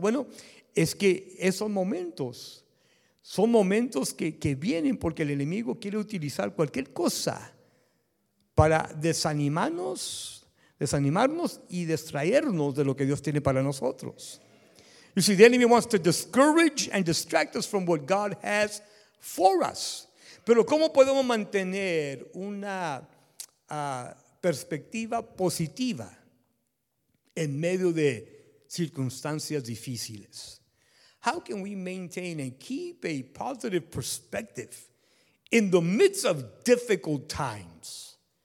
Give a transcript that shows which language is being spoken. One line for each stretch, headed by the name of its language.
Spanish: Bueno, es que esos momentos son momentos que vienen porque el enemigo quiere utilizar cualquier cosa para desanimarnos y distraernos de lo que Dios tiene para nosotros.
English: You see, the enemy wants to discourage and distract us from what God has for us.
Spanish: Pero ¿cómo podemos mantener una perspectiva positiva en medio de circunstancias difíciles?
English: How can we maintain and keep a positive perspective in the midst of difficult times?